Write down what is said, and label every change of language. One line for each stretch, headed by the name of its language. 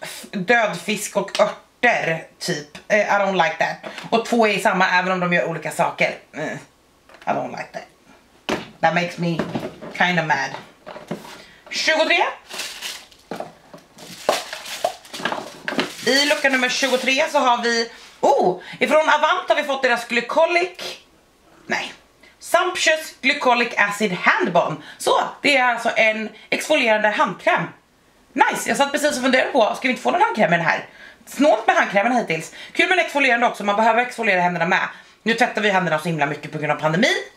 Swedish: död fisk och örter typ.
English: I don't like that.
Swedish: Och två är samma även om de gör olika saker.
English: I don't like that. That makes me kind of mad. 23.
Swedish: I lucka nummer 23 så har vi, oh, ifrån Avant har vi fått deras glycolic. Nej.
English: Sumptuous glycolic acid hand balm.
Swedish: Så, det är alltså en exfolierande handkräm. Nice, jag satt precis och funderade på, ska vi inte få någon handkräm med den här? Snålt med handkrämen hittills. Kul med exfolierande också, man behöver exfoliera händerna med. Nu tvättar vi händerna så himla mycket på grund av pandemi.